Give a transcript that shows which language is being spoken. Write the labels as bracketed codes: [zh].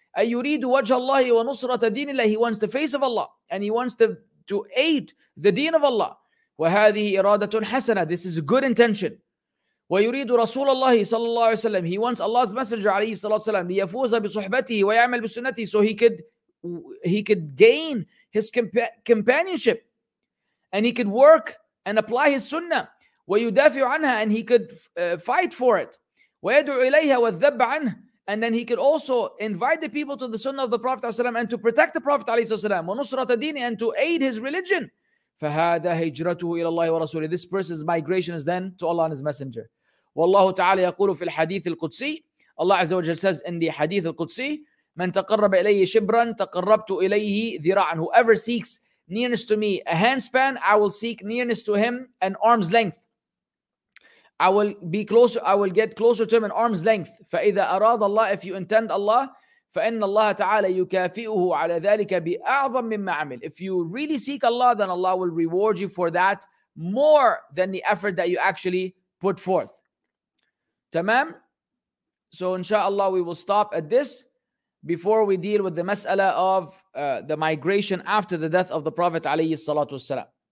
[ar] أي يريد وجه الله ونصرة دين الله. [en] He wants the face of Allah and he wants to aid the deen of Allah. [ar] وهذه إرادة حسنة. [en] This is a good intention. [ar] ويريد رسول الله صلى الله عليه وسلم. [en] He wants Allah's Messenger [ar] عليه الصلاة والسلام ليفوز بصحبته ويعمل بسنته. [en] So he could gain his companionship and he could work and apply his sunnah. [ar] ويدافع عنها, [en] and he could fight for it. [ar] ويدعو إليها والذب عنه, [en] and then he could also invite the people to the sunnah of the Prophet ﷺ and to protect the Prophet ﷺ. [ar] ونصرة دينه, [en] and to aid his religion. [ar] فهذا هجرته إلى الله ورسوله. [en] This person's migration is then to Allah and His Messenger. [ar] والله تعالى يقول في الحديث القدسي, [en] Allah عز وجل says in the [ar] حديث القدسي, من تقرب إليه شبرا تقربت إليه ذراعا. [en] Whoever seeks nearness to me a handspan, I will seek nearness to him an arm's length. I will get closer to him an arm's length. [ar] فإذا أراد الله, [en] if you intend Allah, [ar] فإن الله تعالى يكافئه على ذلك بأعظم مما عمل. [en] If you really seek Allah, then Allah will reward you for that more than the effort that you actually put forth. [ar] تمام. [en] So inshallah we will stop at this before we deal with the mas'ala of the migration after the death of the Prophet عليه الصلاة والسلام.